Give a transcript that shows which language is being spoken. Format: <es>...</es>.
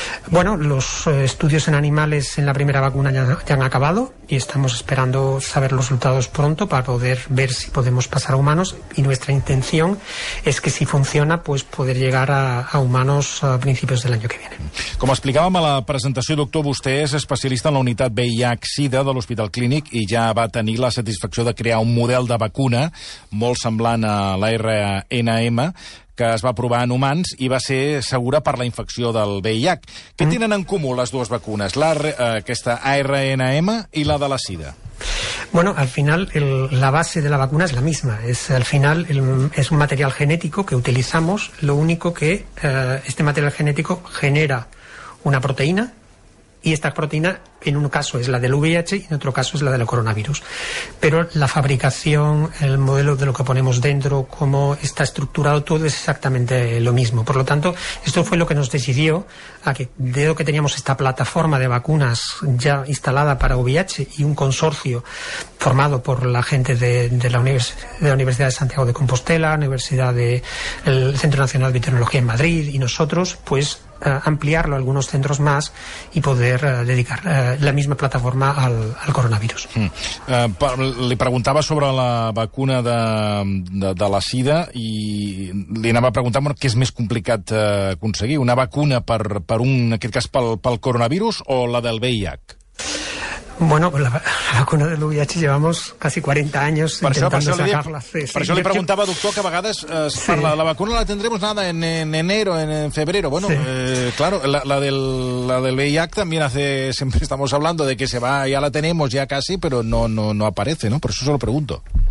<es>Bueno, los estudios en animales en la primera vacuna ya han acabado y estamos esperando saber los resultados pronto para poder ver si podemos pasar a humanos. Y nuestra intención es que si funciona, pues poder llegar a humanos a principios del año que viene.</es> <ca>Com explicàvem a la presentació, doctor, vostè és especialista en la unitat VIH-Sida de l'Hospital Clínic i ja va tenir la satisfacció de crear un model de vacuna molt semblant a l'RNM, que es va provar en humans i va ser segura per la infecció del VIH. Què tenen en comú les dues vacunes, aquesta ARNM i la de la sida?</ca> <es>Bueno, al final la base de la vacuna es la misma. Es un material genético que utilizamos, lo único que este material genético genera una proteína, y esta proteína en un caso es la del VIH y en otro caso es la del coronavirus. Pero la fabricación, el modelo de lo que ponemos dentro, cómo está estructurado todo, es exactamente lo mismo. Por lo tanto, esto fue lo que nos decidió a que, dado que teníamos esta plataforma de vacunas ya instalada para VIH y un consorcio formado por la gente de la Universidad de Santiago de Compostela, el Centro Nacional de Biotecnología en Madrid y nosotros, pues ampliarlo a algunos centros más y poder dedicar la misma plataforma al coronavirus.</es> <ca>Li preguntava sobre la vacuna de la sida i li anava a preguntar què és més complicat aconseguir, una vacuna en aquest cas pel coronavirus o la del VIH?</ca> <es>Bueno, la vacuna del VIH llevamos casi 40 años intentando sacarla.</es> <ca>Per això li preguntava, doctor, que a vegades la vacuna</ca> <es>la tendremos nada en enero, en febrero.</es> <ca>Bueno, sí.</ca> <es>Claro, la del VIH también siempre estamos hablando de que se va, ya la tenemos ya casi, pero no aparece, ¿no? Por eso se lo pregunto.</es>